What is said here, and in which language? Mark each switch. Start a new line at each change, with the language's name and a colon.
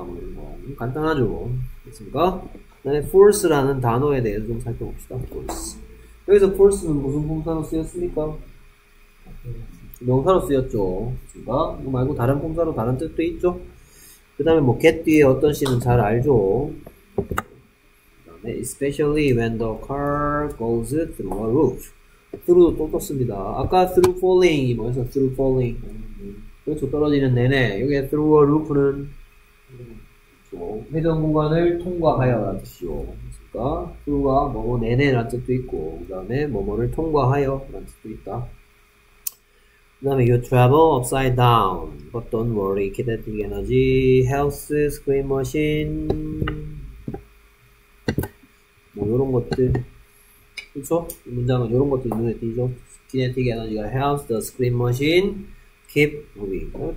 Korean: 뭐 이런 거. 간단하죠. 됐습니까? 그 다음에 force라는 단어에 대해서 좀 살펴봅시다. force. 여기서 force는 무슨 품사로 쓰였습니까? 명사로 쓰였죠. 됐습니까? 이거 말고 다른 품사로 다른 뜻도 있죠. 그 다음에 뭐 get 뒤에 어떤 시는 잘 알죠.
English: Especially when the car goes through a roof.
Korean: Through도 또 떴습니다. 아까 through falling이 뭐였어?
English: Through falling.
Korean: 그렇죠. 떨어지는 내내. 여기 through a roof는 회전 공간을 통과하여라는 뜻이요. 그러니까 through가 뭐뭐 내내라는 뜻도 있고, 그 다음에 뭐뭐를 통과하여라는 뜻도 있다. 그 다음에
English: you travel upside down. But don't worry. Kinetic energy helps screen machine.
Korean: 뭐 요런 것들 그쵸? 이 문장은 요런 것들 눈에 띄죠?
English: Kinetic energy가 helps the screen machine keep moving.